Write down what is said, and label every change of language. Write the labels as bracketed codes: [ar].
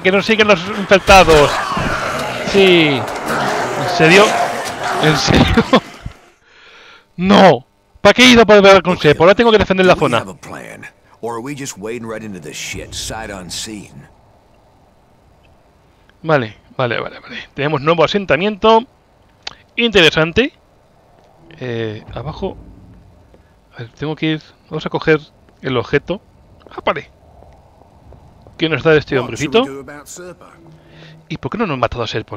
[es] ¡Que nos siguen los infectados! ¡Sí! ¿En serio? ¿En serio? ¡No! ¿Para qué he ido para ver con Sepp? Ahora tengo que defender la zona. [en] Or are we just wading right into this shit, sight unseen? [es] Vale. Tenemos nuevo asentamiento. Interesante. Abajo. A ver, tengo que ir. Vamos a coger el objeto. ¡Ah, vale! ¿Qué nos da este hombrecito? ¿Y por qué no nos ha matado a Serpo?